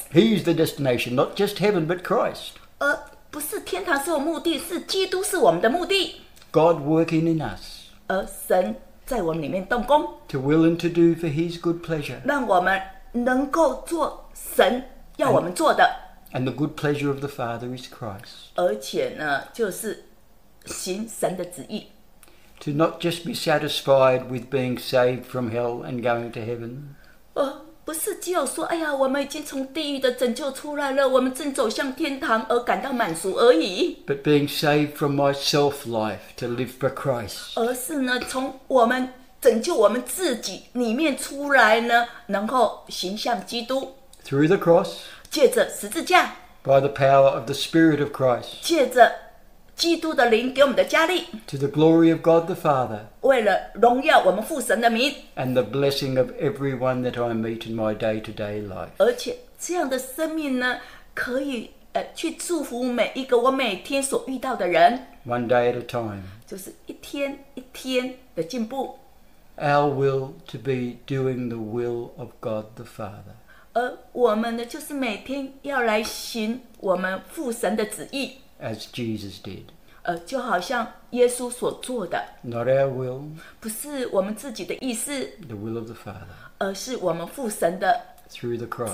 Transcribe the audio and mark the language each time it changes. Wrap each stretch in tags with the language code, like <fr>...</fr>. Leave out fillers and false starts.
<en>he is the destination not just heaven but Christ</en> <zh>不是天堂是有目的是基督是我们的目的</zh> <en>God working in us</en> <zh>神在我们里面动工</zh> <en>to will and to do for his good pleasure</en> <zh>让我们能够做神要我们做的。</zh> <en>And the good pleasure of the Father is Christ.</en> <zh>而且呢，就是行神的旨意。</zh> <en>To not just be satisfied with being saved from hell and going to heaven.</en> <zh>不是只有说，哎呀，我们已经从地狱的拯救出来了，我们正走向天堂而感到满足而已。</zh> <en>But being saved from my self-life to live for Christ.</en> <zh>而是呢，从我们拯救我们自己里面出来呢，然后行向基督。</zh> <en>Through the cross.</en> <zh>借着十字架。</zh> <en>By the power of the Spirit of Christ.</en> <zh>借着基督的灵给我们的加力。</zh> <en>To the glory of God the Father.</en> <zh>为了荣耀我们父神的名。</zh> <en>And the blessing of everyone that I meet in my day-to-day life.</en> <zh>而且这样的生命呢，可以去祝福每一个我每天所遇到的人。</zh> <en>One day at a time.</en> <zh>就是一天一天的进步。</zh> <en>Our will to be doing the will of God the Father.</en> <zh>而我们呢，就是每天要来行我们父神的旨意。</zh> <en>As Jesus did.</en> <zh>就好像耶稣所做的。</zh> <en>Not our will.</en> <zh>不是我们自己的意思。</zh> <en>The will of the Father.</en> <zh>而是我们父神的。</zh> <en>Through the cross.</en>